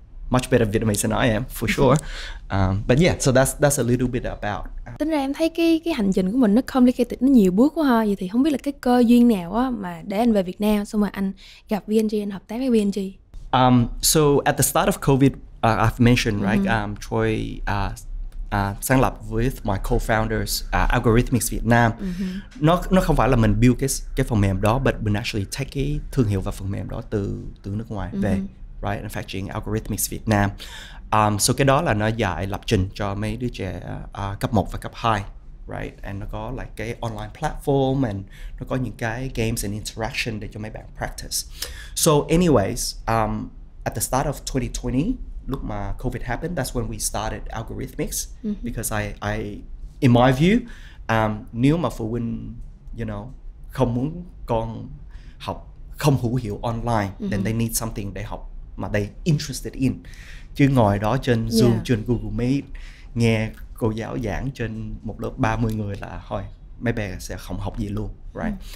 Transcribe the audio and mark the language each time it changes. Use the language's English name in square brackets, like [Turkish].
[English] Much better Vietnamese than I am, for sure. But yeah, so that's a little bit about. [Vietnamese] Tính ra em thấy cái hành trình của mình nó complicated, nó nhiều bước quá ha. Vậy thì không biết là cái cơ duyên nào á mà để anh về Việt Nam xong rồi anh gặp VNG, anh hợp tác với VNG. [English] So at the start of COVID, I've mentioned, right? Troy [Vietnamese] sáng lập [English] with my co-founders Algorithmics Việt Nam. [Vietnamese] Nó không phải là mình build cái phần mềm đó, [English] but [Vietnamese] mình [English] actually take [Vietnamese] cái thương hiệu và phần mềm đó từ nước ngoài về, right? [English] And factoring [Vietnamese] Algorithmics Việt Nam. So cái đó là nó dạy lập trình cho mấy đứa trẻ cấp 1 và cấp 2, right? [English] And [Vietnamese] nó có [English] like [Vietnamese] cái [English] online platform and [Vietnamese] nó có những cái [English] games and interaction [Vietnamese] để cho mấy bạn [English] practice. So anyways, at the start of 2020, [Vietnamese] lúc mà [English] COVID happened, that's when we started Algorithmics. Because I in my view, [Vietnamese] nếu mà phụ huynh, [English] you know, [Vietnamese] không muốn con học không hữu hiệu online, [English] then they need something [Vietnamese] để học mà [English] they interested in. [Vietnamese] Chứ ngồi đó trên Zoom, trên Google Meet, nghe cô giáo giảng trên một lớp 30 người là thôi, mấy bạn sẽ không học gì luôn, right?